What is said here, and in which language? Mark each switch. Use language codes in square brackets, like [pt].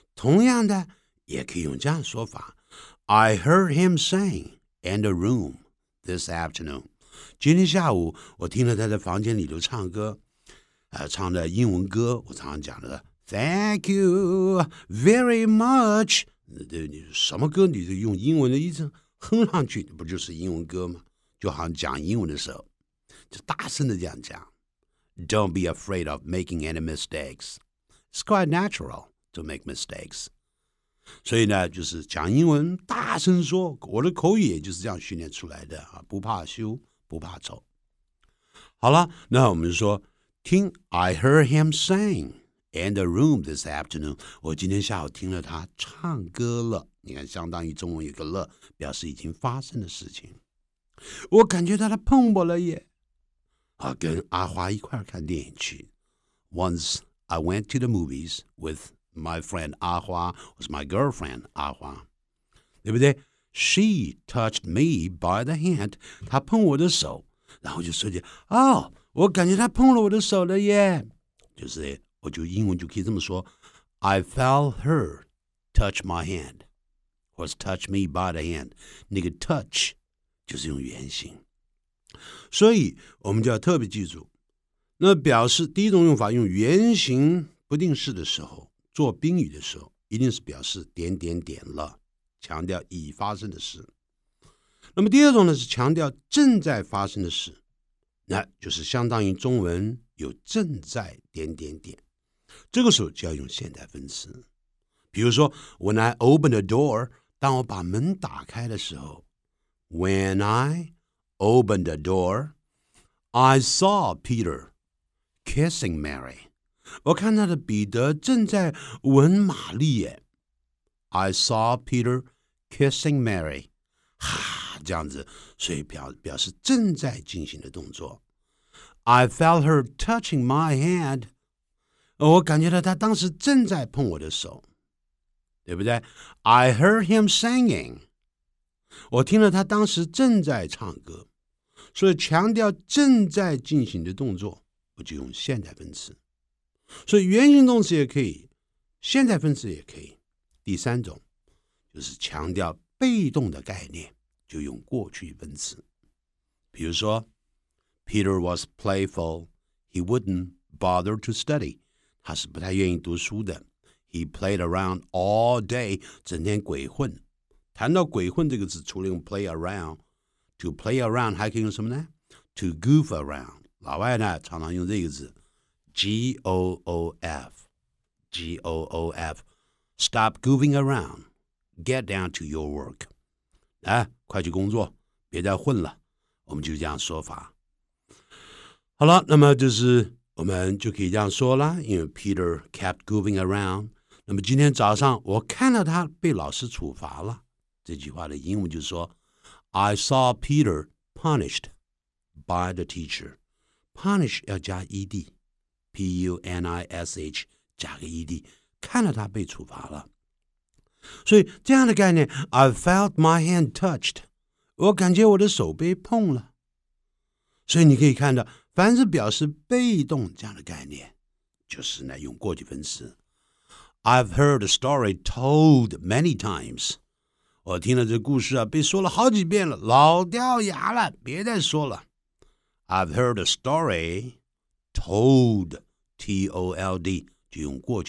[zh] 同样的也可以用这样说法， [en] I heard him sing in the room this afternoon， [zh] 今天下午我听了他在房间里头唱歌、唱的英文歌，我常常讲的 [en] Thank you very much， [zh] 你什么歌你就用英文的一声哼上去，不就是英文歌吗？就好像讲英文的时候就大声的这样讲。 [en] Don't be afraid of making any mistakes. It's quite natural to make mistakes. [zh] 所以呢，就是讲英文大声说，我的口语也就是这样训练出来的、啊、不怕羞，不怕丑。好了，那我们说，听 [en] I heard him sing in the room this afternoon. [zh] 我今天下午听了他唱歌了。你看，相当于中文有个了，表示已经发生的事情。我感觉到他碰我了耶。跟阿华一块看电影去。 [en] Once I went to the movies with my friend 阿华 was my girlfriend 阿华， [zh] 对不对？ [en] She touched me by the hand， [zh] 她碰我的手，然后就说起，哦，我感觉她碰了我的手了耶。就是我就英文就可以这么说， [en] I felt her touch my hand， was touch me by the hand。 [zh] 那个 touch 就是用原形，所以我们就要特别记住，那表示第一种用法，用原形不定式的时候，做宾语的时候，一定是表示点点点了，强调已发生的事。那么第二种呢，是强调正在发生的事，那就是相当于中文有正在点点点，这个时候就要用现代分词。比如说 [en] When I open the door， [zh] 当我把门打开的时候， [en] When IOpen the door. I saw Peter kissing Mary. [zh] 我看到的彼得正在吻玛丽耶。 [en] I saw Peter kissing Mary. [zh] 哈，这样子，所以表示正在进行的动作。 [en] I felt her touching my hand. [zh] 我感觉到她当时正在碰我的手，对不对？ [en] I heard him singing. [zh] 我听了他当时正在唱歌。所以强调正在进行的动作，我就用现代分词。所以原形动词也可以，现代分词也可以。第三种就是强调被动的概念，就用过去分词。 [en] 比如说 Peter was playful, he wouldn't bother to study. [zh] 他是不太愿意读书的。 [en] He played around all day, [zh] 整天鬼混。谈到鬼混这个字，除了用 [en] play aroundTo play around [zh] 还可以用什么呢？ [en] To goof around， [zh] 老外呢常常用这个字 G-O-O-F G-O-O-F， [en] Stop goofing around， Get down to your work， [zh] 来，快去工作，别再混了，我们就这样说法。好了，那么就是我们就可以这样说了，因为 Peter kept goofing around。那么今天早上我看到他被老师处罚了，这句话的英文就是说 [en] I saw Peter punished by the teacher. [zh] Punish 要加 ed， P-U-N-I-S-H 加个 ed， 看到他被处罚了。所以这样的概念， [en] I felt my hand touched， [zh] 我感觉我的手被碰了。所以你可以看到，凡是表示被动这样的概念，就是呢用过去分词。 [en] I've heard a story told many times. [zh] 我听了这故事啊，被说了好几遍了，老掉牙了，别再说了。 [en] I've heard a story told, [zh] T-O-L-D, 就用过去分词，表示被动的概念，所以这点也要记住的。